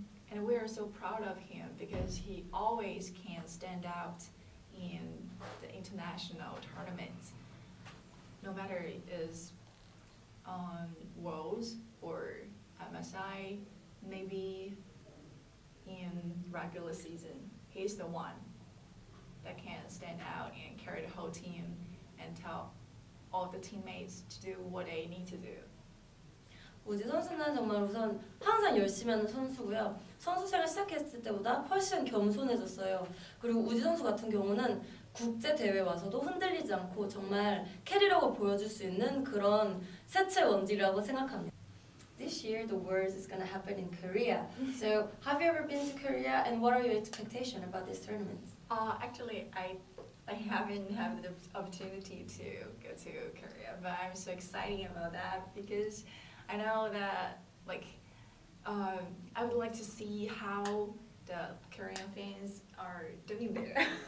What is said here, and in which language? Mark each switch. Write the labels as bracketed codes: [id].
[en] And we are so proud of him because he always can stand out in the international tournament, no matter it is on Worlds or MSI, maybe in regular season. He's the one that can stand out and carry the whole team and tell all the teammates to do what they need to do. [ko] 우지 선수는 정말 우선 항상 열심히 하는 선수고요. 선수 생활 시작했을 때보다 훨씬 겸손해졌어요. 그리고 우지 선수 같은 경우는 국제 대회 와서도 흔들리지 않고 정말 캐리라고 보여줄 수 있는 그런 새체 원딜이라고 생각합니다. [en] This year the Worlds is going to happen in Korea. So, have you ever been to Korea and what are your expectations about this tournament? Actually, I haven't had the opportunity to go to Korea, but I'm so excited about that because I know that like I would like to see how the Korean fans are doing there.